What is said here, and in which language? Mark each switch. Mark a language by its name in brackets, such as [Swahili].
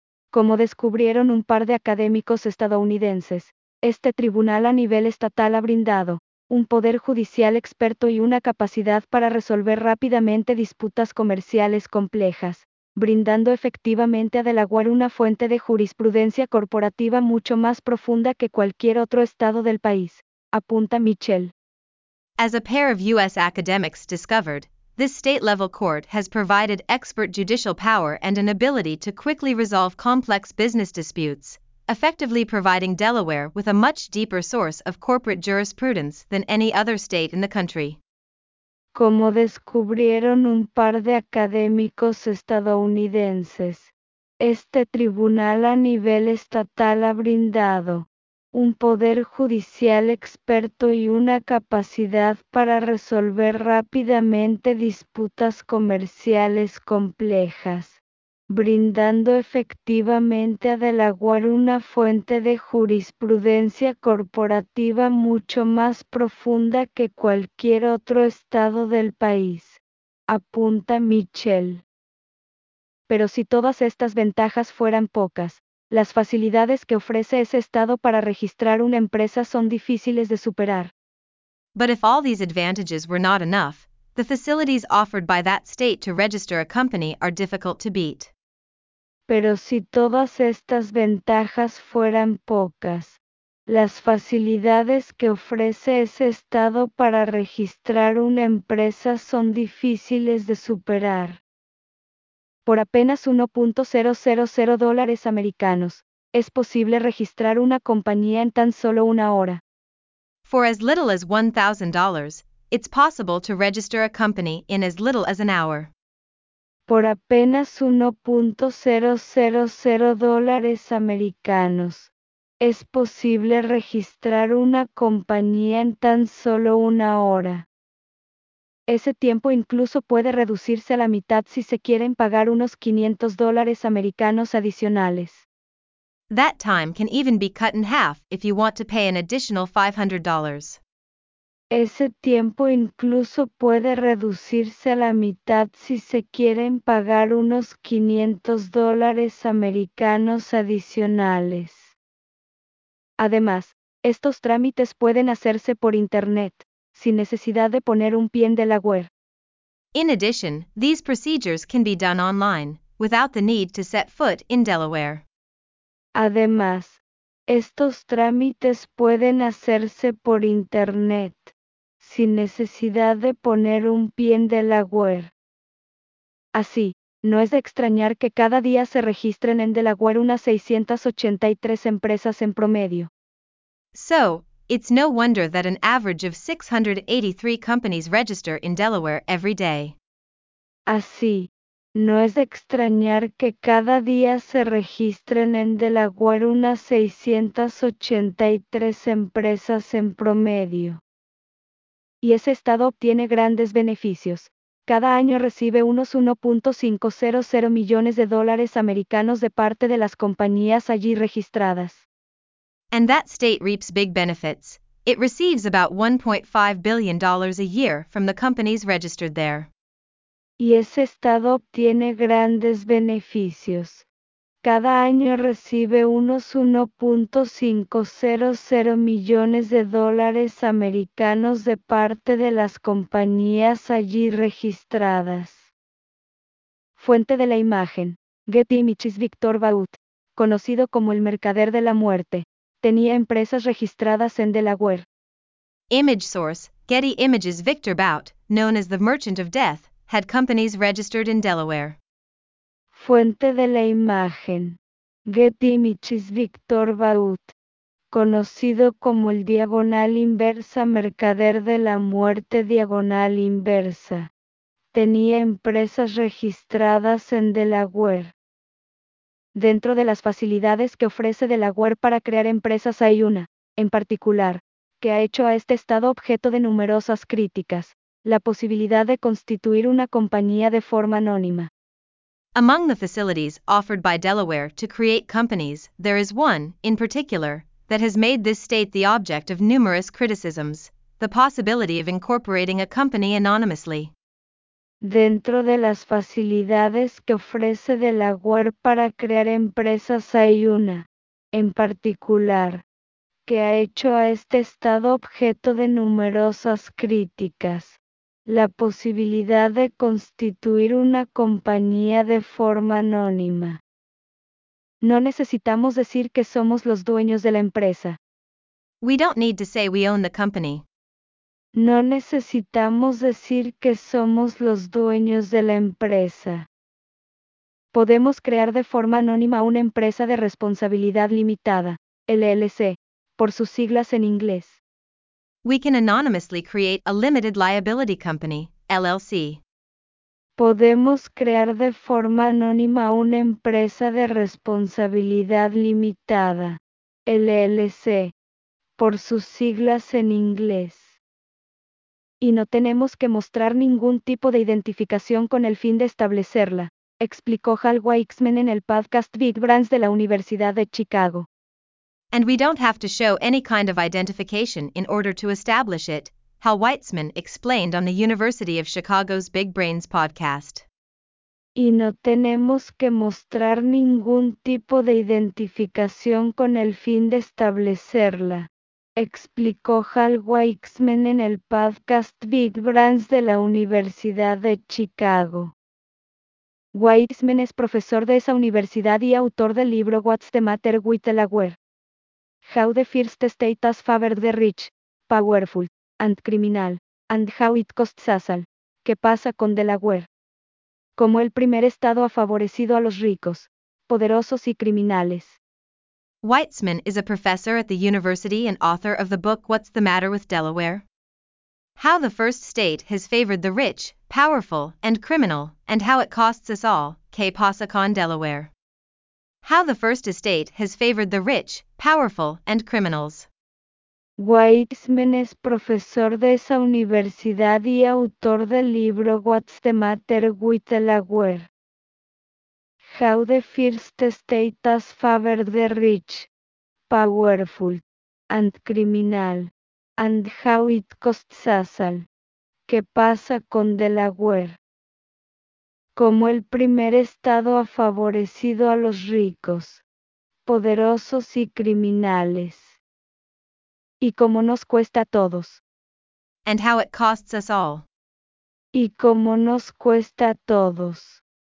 [Spanish] Como descubrieron un par de académicos estadounidenses, este tribunal a nivel estatal ha brindado un poder judicial experto y una capacidad para resolver rápidamente disputas comerciales complejas, brindando efectivamente a Delaware una fuente de jurisprudencia corporativa mucho más profunda que cualquier otro estado del país, apunta Mitchell. [English] As a pair of U.S. academics discovered, this state-level court has provided expert judicial power and an ability to quickly resolve complex business disputes, effectively providing Delaware with a much deeper source of corporate jurisprudence than any other state in the country. [Spanish] Como descubrieron un par de académicos estadounidenses, este tribunal a nivel estatal ha brindado un poder judicial experto y una capacidad para resolver rápidamente disputas comerciales complejas, brindando efectivamente a Delaware una fuente de jurisprudencia corporativa mucho más profunda que cualquier otro estado del país, apunta Mitchell. Pero si todas estas ventajas fueran pocas, las facilidades que ofrece ese estado para registrar una empresa son difíciles de superar. [English] But if all these advantages were not enough, the facilities offered by that state to register a company are difficult to beat. [Spanish] Pero si todas estas ventajas fueran pocas, las facilidades que ofrece ese estado para registrar una empresa son difíciles de superar. Por apenas $1,000 americanos, es posible registrar una compañía en tan solo una hora. [English] For as little as $1,000, it's possible to register a company in as little as an hour. [Spanish] Por apenas $1,000 americanos, es posible registrar una compañía en tan solo una hora. Ese tiempo incluso puede reducirse a la mitad si se quieren pagar unos $500 americanos adicionales. [English] That time can even be cut in half if you want to pay an additional $500. [Spanish] Ese tiempo incluso puede reducirse a la mitad si se quieren pagar unos $500 americanos adicionales. Además, estos trámites pueden hacerse por Internet, sin necesidad de poner un pie en Delaware. [English] In addition, these procedures can be done online, without the need to set foot in Delaware. [Spanish] Además, estos trámites pueden hacerse por Internet, sin necesidad de poner un pie en Delaware. Así, no es de extrañar que cada día se registren en Delaware unas 683 empresas en promedio. [English] So, it's no wonder that an average of 683 companies register in Delaware every day. [Spanish] Así, no es de extrañar que cada día se registren en Delaware unas 683 empresas en promedio. Y ese estado obtiene grandes beneficios. Cada año recibe unos 1.500 millones de dólares americanos de parte de las compañías allí registradas. [English] And that state reaps big benefits. It receives about $1.5 billion a year from the companies registered there. [Spanish] Y ese estado obtiene grandes beneficios. Cada año recibe unos 1.500 millones de dólares americanos de parte de las compañías allí registradas. Fuente de la imagen. Getty Images. Victor Baut, conocido como el mercader de la muerte, tenía empresas registradas en Delaware. [English] Image source, Getty Images. Victor Baut, known as the Merchant of Death, had companies registered in Delaware. [Spanish] Fuente de la imagen. Getty Images. Victor Baut, conocido como el diagonal inversa mercader de la muerte diagonal inversa, tenía empresas registradas en Delaware. Dentro de las facilidades que ofrece Delaware para crear empresas hay una, en particular, que ha hecho a este estado objeto de numerosas críticas, la posibilidad de constituir una compañía de forma anónima. [English] Among the facilities offered by Delaware to create companies, there is one, in particular, that has made this state the object of numerous criticisms, the possibility of incorporating a company anonymously. [Spanish] Dentro de las facilidades que ofrece Delaware para crear empresas hay una, en particular, que ha hecho a este estado objeto de numerosas críticas, la posibilidad de constituir una compañía de forma anónima. No necesitamos decir que somos los dueños de la empresa. [English] We don't need to say we own the company. [Spanish] No necesitamos decir que somos los dueños de la empresa. Podemos crear de forma anónima una empresa de responsabilidad limitada, LLC, por sus siglas en inglés. [English] We can anonymously create a limited liability company, LLC. [Spanish] Podemos crear de forma anónima una empresa de responsabilidad limitada, LLC, por sus siglas en inglés. Y no tenemos que mostrar ningún tipo de identificación con el fin de establecerla, explicó Hal Weixman en el podcast Big Brands de la Universidad de Chicago. [English] And we don't have to show any kind of identification in order to establish it, Hal Weixman explained on the University of Chicago's Big Brains podcast. [Spanish] Y no tenemos que mostrar ningún tipo de identificación con el fin de establecerla, explicó Hal Weixman en el podcast Big Brands de la Universidad de Chicago. Weixman es profesor de esa universidad y autor del libro What's the Matter with Delaware? [English] How the First State Has Favored the Rich, Powerful, and Criminal, and How It Costs Us All. [Spanish] ¿Qué pasa con Delaware? Como el primer estado ha favorecido a los ricos, poderosos y criminales. [English] Weitzman is a professor at the university and author of the book What's the Matter with Delaware? How the First State Has Favored the Rich, Powerful, and Criminal, and How It Costs Us All, [Spanish] ¿Qué pasa con Delaware? [English] How the First Estate Has Favored the Rich, Powerful, and Criminals. [Spanish] Weitzman es profesor de esa universidad y autor del libro What's the Matter with Delaware? [English] How the First State has favored the rich, powerful, and criminal, and how it costs us all. [Spanish] ¿Qué pasa con Delaware? Como el primer estado ha favorecido a los ricos, poderosos y criminales. Y cómo nos cuesta a todos. [English] And how it costs us all. [Spanish] Y cómo nos cuesta a todos.